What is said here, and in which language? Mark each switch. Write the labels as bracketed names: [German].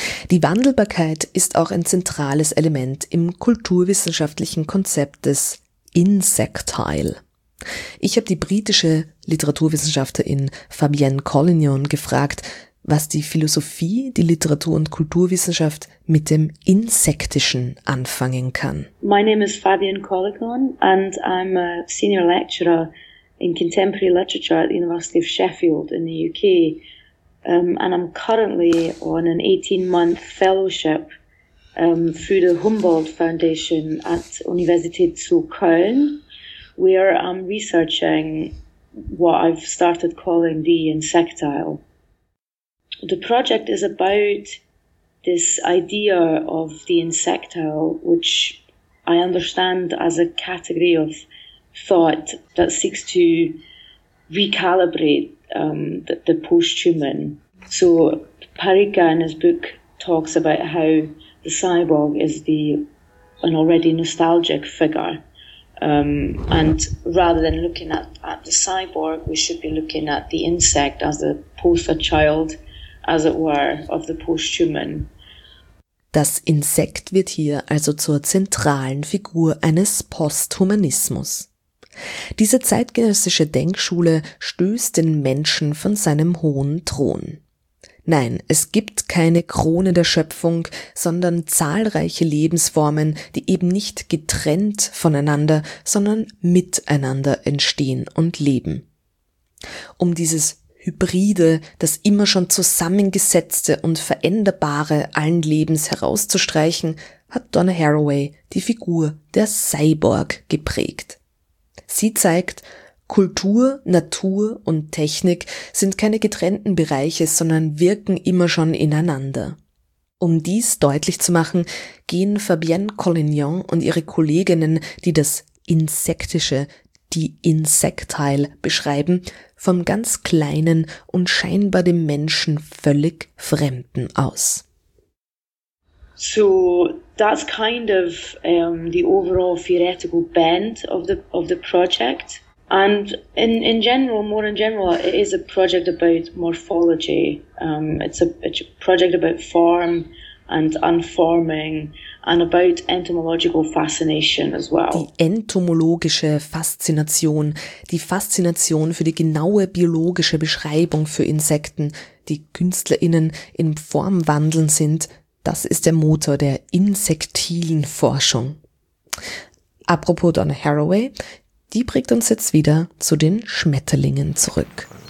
[German] Die Wandelbarkeit ist auch ein zentrales Element im kulturwissenschaftlichen Konzept des Insectile. Ich habe die britische Literaturwissenschaftlerin Fabienne Collignon gefragt, was die Philosophie, die Literatur und Kulturwissenschaft mit dem Insektischen anfangen kann. [English] My name is Fabienne Collignon and I'm a senior lecturer in contemporary literature at the University of Sheffield in the UK. And I'm currently on an 18-month fellowship through the Humboldt Foundation at Universität zu Köln, where I'm researching what I've started calling the insectile. The project is about this idea of the insectile, which I understand as a category of thought that seeks to recalibrate the post-human. So Parikka in his book talks about how the cyborg is an already nostalgic figure. And rather than looking at the cyborg, we should be looking at the insect as the poster child, as it were, of the post-human. [German] Das Insekt wird hier also zur zentralen Figur eines Posthumanismus. Diese zeitgenössische Denkschule stößt den Menschen von seinem hohen Thron. Nein, es gibt keine Krone der Schöpfung, sondern zahlreiche Lebensformen, die eben nicht getrennt voneinander, sondern miteinander entstehen und leben. Um dieses Hybride, das immer schon zusammengesetzte und veränderbare allen Lebens herauszustreichen, hat Donna Haraway die Figur der Cyborg geprägt. Sie zeigt, Kultur, Natur und Technik sind keine getrennten Bereiche, sondern wirken immer schon ineinander. Um dies deutlich zu machen, gehen Fabienne Collignon und ihre Kolleginnen, die das Insektische, die Insektile beschreiben, vom ganz Kleinen und scheinbar dem Menschen völlig Fremden aus. [English] So that's kind of the overall theoretical bent of the project. And in general, more in general, it is a project about morphology. It's a project about form and unforming and about entomological fascination as well. [German] Die entomologische Faszination, die Faszination für die genaue biologische Beschreibung für Insekten, die KünstlerInnen im Formwandeln sind, das ist der Motor der insektilen Forschung. Apropos Donna Haraway, die bringt uns jetzt wieder zu den Schmetterlingen zurück.